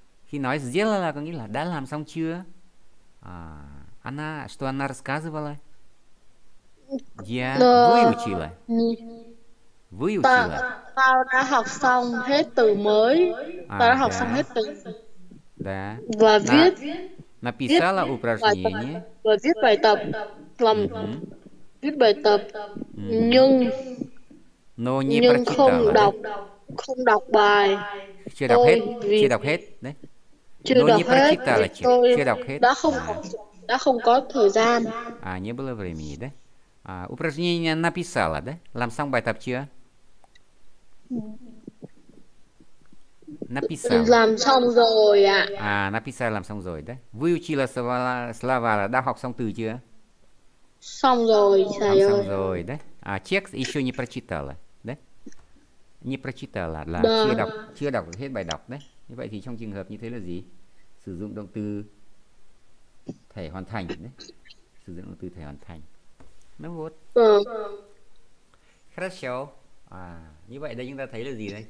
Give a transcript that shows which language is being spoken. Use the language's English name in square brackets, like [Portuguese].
[Vietnamese] Khi nói сделала, có nghĩa là đã làm xong chưa? [Russian] À, она, что она рассказывала? Я выучила. Выучила. [Vietnamese] Tao đã học xong hết từ mới. Tao đã học xong hết từ. Да. Và viết. [Russian] Написала упражнение. [Vietnamese] Và viết bài tập. Làm. Viết bài tập. Nhưng. [Russian] Но не прочитала. [Vietnamese] Nhưng không đọc. Không đọc bài. Chưa đọc hết. Chưa đọc hết. Đấy. Chưa đọc hết. Tôi chưa đọc hết. Đã không. Đã không có thời gian. [Russian] À, не было времени, да? À, упражнение написала, да? [Vietnamese] Làm xong bài tập chưa? [Russian] Написала. [Vietnamese] Làm xong rồi ạ. À, написала, làm xong rồi, да? [Russian] Выучила слова, [Vietnamese] là đã học xong từ chưa? Xong rồi, thầy ơi. Xong rồi, да? [Russian] À, текст еще не прочитала, да? Не прочитала, là да. [Vietnamese] Chưa đọc hết bài đọc, đấy. Như vậy thì trong trường hợp như thế là gì? Sử dụng động từ thể hoàn thành, đấy. Sử dụng động từ thể hoàn thành. [Russian] Ну вот. Хорошо. [Vietnamese] À, như vậy đây chúng ta thấy là gì đây?